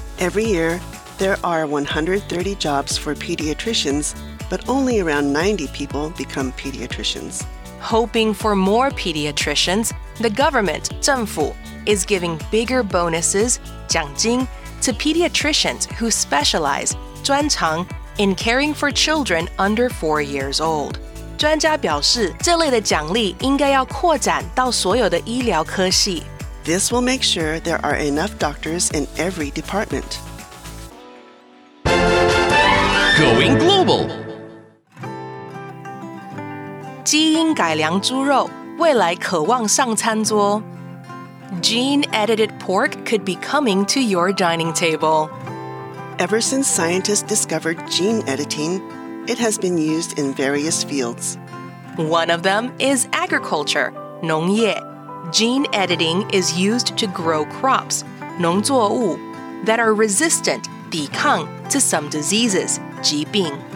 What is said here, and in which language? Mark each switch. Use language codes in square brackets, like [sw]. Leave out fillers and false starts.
[en] Every year, there are 130 jobs for pediatricians, but only around 90 people become pediatricians. Hoping for more pediatricians, the government, 政府,is giving bigger bonuses, 奖金, to pediatricians who specialize, 专长, in caring for children under 4 years old. [zh] 专家表示,这类的奖励应该要扩展到所有的医疗科系。 [en] This will make sure there are enough doctors in every department. Going global. [zh] 基因改良猪肉,未来渴望上餐桌。 [en] Gene-edited pork could be coming to your dining table. Ever since scientists discovered gene editing, it has been used in various fields. One of them is agriculture, 农业. Gene editing is used to grow crops, 农作物, that are resistant, 抵抗, to some diseases, 疾病.